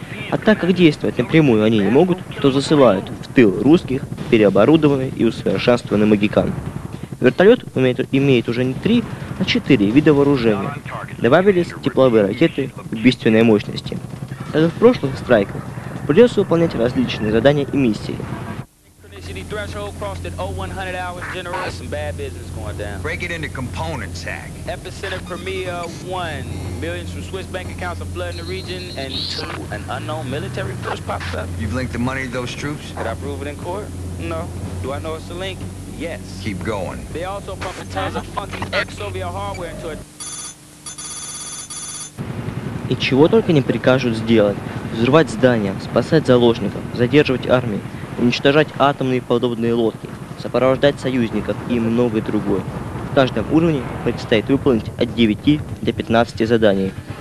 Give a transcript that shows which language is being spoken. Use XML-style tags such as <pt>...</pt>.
<ru>А так как действовать напрямую они не могут, то засылают в тыл русских переоборудованный и усовершенствованный «Магикан». Вертолет имеет уже не 3, а 4 вида вооружения. Добавились тепловые ракеты убийственной мощности. Как и в прошлых страйках, придется выполнять различные задания и миссии.</ru> <en>Threshold crossed at 0100 hours, General. Got some bad business going down. Break it into components, Hack. Epicenter Crimea 1. Millions from Swiss bank accounts are flooding the region. And 2, an unknown military force pops up. You've linked the money to those troops? Could I prove it in court? No. Do I know it's a link? Yes. Keep going. They also pumping tons of funky ex-Soviet hardware into it.</en> <ru>И чего только не прикажут сделать. Взрывать здания, спасать заложников, задерживать армии, уничтожать атомные подобные лодки, сопровождать союзников и многое другое. В каждом уровне предстоит выполнить от 9 до 15 заданий.</ru>